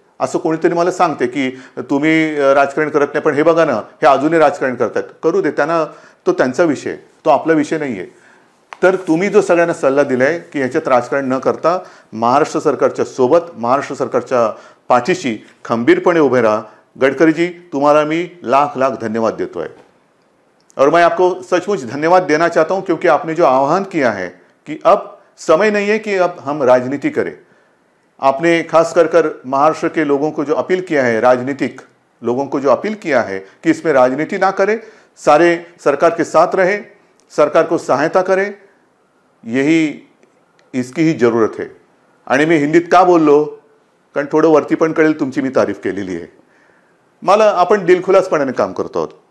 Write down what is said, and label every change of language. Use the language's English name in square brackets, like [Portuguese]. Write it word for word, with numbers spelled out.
[Marathi] असं कोणीतरी मला सांगते की तुम्ही राजकारण करत नाही, पण हे बघा ना, हे अजूनही राजकारण करत आहेत. करू दे त्यांना, तो त्यांचा विषय, तो आपला विषय नाही आहे. तर तुम्ही जो सगळ्यांना सल्ला दिला आहे की ह्याच्यात राजकारण न करता महाराष्ट्र सरकारच्या सोबत, महाराष्ट्र सरकारच्या पाठीशी खंबीरपणे उभे राहा. [Hindi] गडकरीजी, तुम्हारा मैं लाख लाख धन्यवाद देता है और मैं आपको सचमुच धन्यवाद देना चाहता हूं, क्योंकि आपने जो आह्वान किया है कि अब समय नहीं है कि अब हम राजनीति करें. आपने खास कर कर महाराष्ट्र के लोगों को जो अपील किया है, राजनीतिक लोगों को जो अपील किया है कि इसमें राजनीति ना करें, सारे सरकार के साथ रहें, सरकार को सहायता करें, यही इसकी ही जरूरत है. [Marathi] आणि मी हिंदीत का बोललो, कारण थोडं वरती पण कळेल, तुमची मी तारीफ केलेली आहे. मला आपण दिलखुलासपणाने काम करतो आहोत.